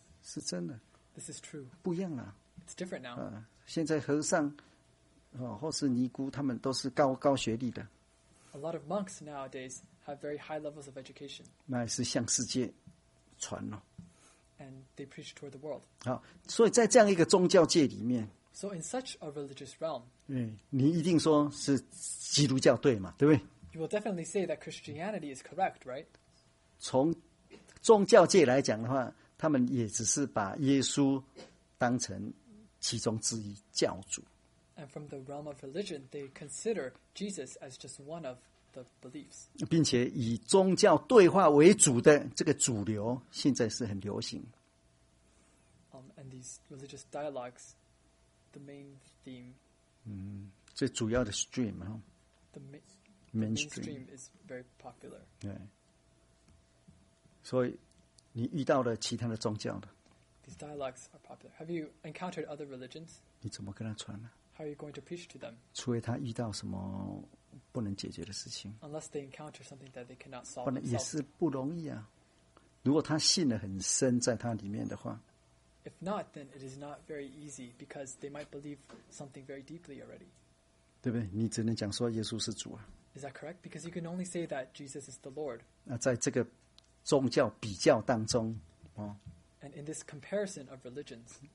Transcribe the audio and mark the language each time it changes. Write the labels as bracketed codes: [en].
[zh] 是真的。 [en] This is true. [zh] 不一样了。 [en] It's different now. [zh] 现在和尚，或是尼姑，他们都是高学历的。 [en] A lot of monks nowadays have very high levels of education. [zh] 那是向世界传了。 [en] And they preach toward the world. [zh] 好，所以在这样一个宗教界里面 [en] ，So in such a religious realm, [zh] 你一定说是基督教对嘛，对不对 [en] ？You will definitely say that Christianity is correct, right? [zh] 从宗教界来讲的话，他们也只是把耶稣当成其中之一教主。 [en] And from the realm of religion, they consider Jesus as just one of the beliefs. [zh] 并且以宗教对话为主的这个主流现在是很流行。 [en] And these religious dialogues, the main theme. [zh] 最主要的 stream 哈。 [en] The mainstream is very popular. [zh] 对。所以你遇到了其他的宗教的。 [en] These dialogues are popular. Have you encountered other religions? [zh] 你怎么跟他传呢？ [en] How are you going to preach to them? [zh] 除非他遇到什么不能解决的事情。 [en] Unless they encounter something that they cannot solve. [zh] 不能也是不容易啊。如果他信得很深，在他里面的话。 [en] If not, then it is not very easy because they might believe something very deeply already. [zh] 对不对？你只能讲说耶稣是主啊。 [en] Is that correct? Because you can only say that Jesus is the Lord. [zh] 那在这个宗教比较当中，哦。 [en] And in this comparison of religions,